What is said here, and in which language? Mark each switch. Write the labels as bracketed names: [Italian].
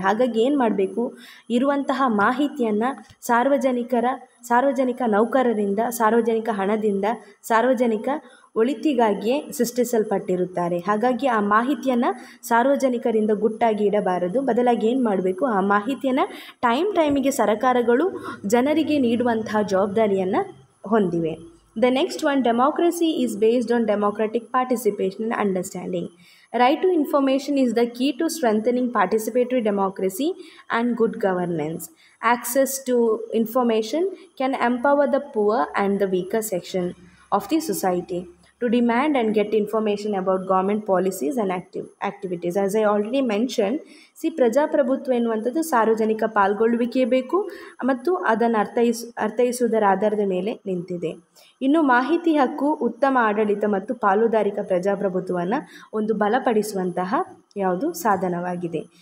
[Kannada] ಹಾಗಾಗಿ ಏನು ಮಾಡಬೇಕು, ಇರುವಂತಹ ಮಾಹಿತಿಯನ್ನು ಸಾರ್ವಜನಿಕ ನೌಕರರಿಂದ, ಸಾರ್ವಜನಿಕ ಹಣದಿಂದ, ಸಾರ್ವಜನಿಕ ಒಳಿತಿಗಾಗಿಯೇ ಸೃಷ್ಟಿಸಲ್ಪಟ್ಟಿರುತ್ತಾರೆ. ಹಾಗಾಗಿ ಆ ಮಾಹಿತಿಯನ್ನು ಸಾರ್ವಜನಿಕರಿಂದ ಗುಟ್ಟಾಗಿ ಇಡಬಾರದು. ಬದಲಾಗಿ ಏನು ಮಾಡಬೇಕು, ಆ ಮಾಹಿತಿಯನ್ನು ಟೈಮ್ ಟೈಮಿಗೆ ಸರಕಾರಗಳು ಜನರಿಗೆ ನೀಡುವಂತಹ ಜವಾಬ್ದಾರಿಯನ್ನು ಹೊಂದಿವೆ. [English] The next one, democracy is based on democratic participation and understanding. Right to information is the key to strengthening participatory democracy and good governance. Access to information can empower the poor and the weaker section of the society to demand and get information about government policies and activities. As I already mentioned, see, [Kannada] ಪ್ರಜಾಪ್ರಭುತ್ವ ಎನ್ನುವಂಥದ್ದು ಸಾರ್ವಜನಿಕ ಪಾಲ್ಗೊಳ್ಳುವಿಕೆಯೇ ಬೇಕು ಮತ್ತು ಅದನ್ನು ಅರ್ಥೈಸುವುದರ ಆಧಾರದ ಮೇಲೆ ನಿಂತಿದೆ. ಇನ್ನು ಮಾಹಿತಿ ಹಕ್ಕು ಉತ್ತಮ ಆಡಳಿತ ಮತ್ತು ಪಾಲುದಾರಿಕ ಪ್ರಜಾಪ್ರಭುತ್ವವನ್ನು ಒಂದು ಬಲಪಡಿಸುವಂತಹ ಯಾವುದು ಸಾಧನವಾಗಿದೆ.